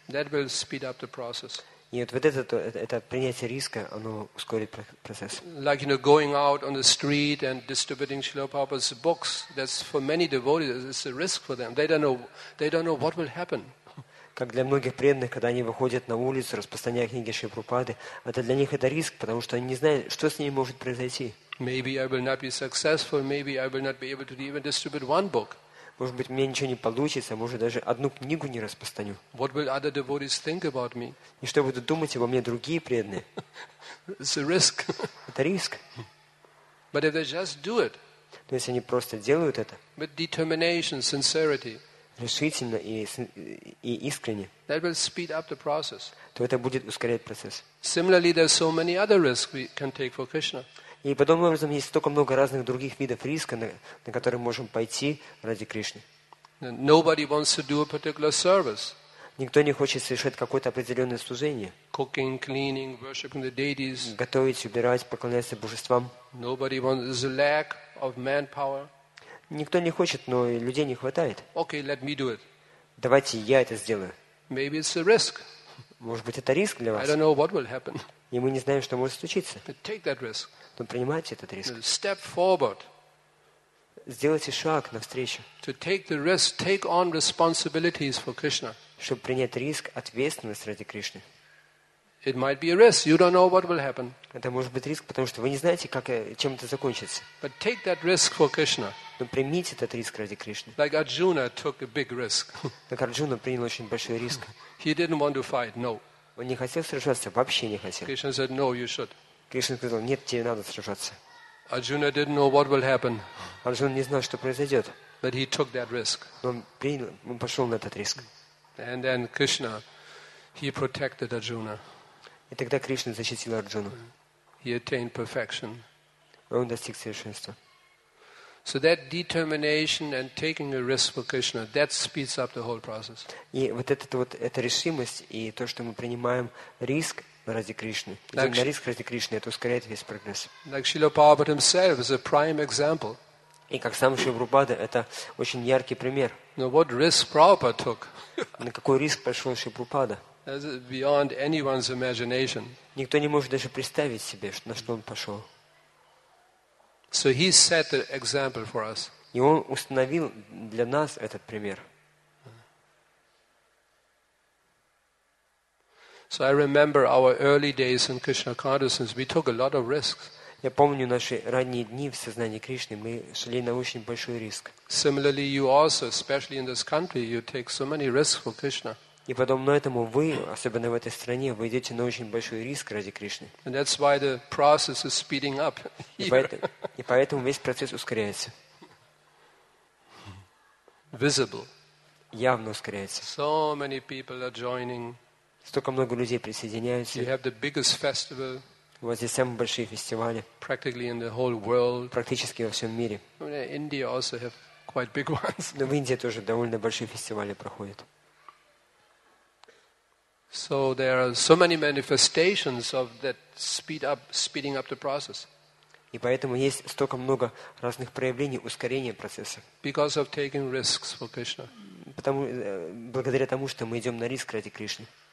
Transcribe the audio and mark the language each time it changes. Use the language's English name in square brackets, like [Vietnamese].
[English] That will speed up the process. [Russian] И вот это принятие риска, оно ускорит процесс. [English] Like, you know, going out on the street and distributing Srila Prabhupada's books, that's for many devotees, it's a risk for them. They don't know what will happen. [Russian] Как для многих преданных, когда они выходят на улицу, распространяя книги Шри Прабхупады, это для них это риск, потому что они не знают, что с ними может произойти. [English] Maybe I will not be successful, maybe I will not be able to even distribute one book. [Russian] Может быть, у меня ничего не получится, может, даже одну книгу не распространю. [English] What will other devotees think about me? [Russian] И что будут думать обо мне другие преданные? [English] It's a risk. [Russian] Это риск. [English] But if they just do it. [Russian] Но если они просто делают это. [English] With determination, sincerity. [Russian] Решительно и искренне. [English] That will speed up the process. [Russian] То это будет ускорять процесс. [English] Similarly, there are so many other risks we can take for Krishna. [Russian] И подобным образом есть столько много разных других видов риска, на которые мы можем пойти ради Кришны. [English] Nobody wants to do a particular service. [Russian] Никто не хочет совершать какое-то определенное служение. [English] Cooking, cleaning, worshiping the deities. [Russian] Готовить, убирать, поклоняться божествам. [English] Nobody wants a lack of manpower. [Russian] Никто не хочет, но и людей не хватает. [English] Okay, let me do it. [Russian] Давайте я это сделаю. [English] Maybe it's a risk. [Russian] Может быть, это риск для вас. [English] I don't know what will happen. [Russian] И мы не знаем, что может случиться. [English] But take that risk. [Russian] Но принимайте этот риск. [English] Step forward. [Russian] Сделайте шаг навстречу. [English] To take the risk, take on responsibilities for Krishna. [Russian] Чтобы принять риск, ответственность ради Кришны. [English] It might be a risk. You don't know what will happen. [Russian] Это может быть риск, потому что вы не знаете, как, чем это закончится. [English] But take that risk for Krishna. [Russian] Но примите этот риск ради Кришны. [English] Like Arjuna took a big risk. [Russian] Как Арджуна принял очень большой риск. [English] He didn't want to fight. No. [Russian] Он не хотел сражаться, вообще не хотел. [English] Krishna said, no, you should. [Russian] Кришна сказал, нет, тебе надо сражаться. [English] Arjuna didn't know what will happen. [Russian] Арджуна не знал, что произойдет. [English] But he took that risk. [Russian] Но он пошел на этот риск. [English] And then Krishna, he protected Arjuna. [Russian] И тогда Кришна защитил Арджуну. [English] He attained perfection. [Russian] он достиг совершенства. [English] So that determination and taking a risk for Krishna, that speeds up the whole process. [Russian] И вот эта вот эта решимость и то, что мы принимаем риск ради Кришны, идем на риск ради Кришны, это ускоряет весь прогресс. [English] Like Srila Prabhupada himself is a prime example. [Russian] И как сам Шрила Прабхупада, это очень яркий пример. [English] Now what risk Prabhupada took? [Russian] На какой риск пошел Шрила Прабхупада? [English] That's beyond anyone's imagination. [Russian] Никто не может даже представить себе, на что он пошел. [English] So he set the example for us. [Russian] И он установил для нас этот пример. [English] So I remember our early days in Krishna consciousness. We took a lot of risks. [Russian] Я помню наши ранние дни в сознании Кришны. Мы шли на очень большой риск. [English] Similarly, you also, especially in this country, you take so many risks for Krishna. [Russian] И подобно этому вы, особенно в этой стране, вы идете на очень большой риск ради Кришны. [English] And that's why the process is speeding up. [Russian] И поэтому весь процесс ускоряется. [English] Visible. [Russian] Явно ускоряется. [English] So many people are joining. [Russian] Столько много людей присоединяются. [English] You have the biggest festival. [Russian] У вас здесь самые большие фестивали. [English] Practically in the whole world. [Russian] Практически во всем мире. [English] India also have quite big ones. [Russian] Но в Индии тоже довольно большие фестивали проходят. [English] So there are so many manifestations of that speeding up the process. [Russian] И поэтому есть столько много разных проявлений ускорения процесса. [English] Because of taking risks for Krishna. [Russian] Потому благодаря тому, что мы идем на риск ради Кришны.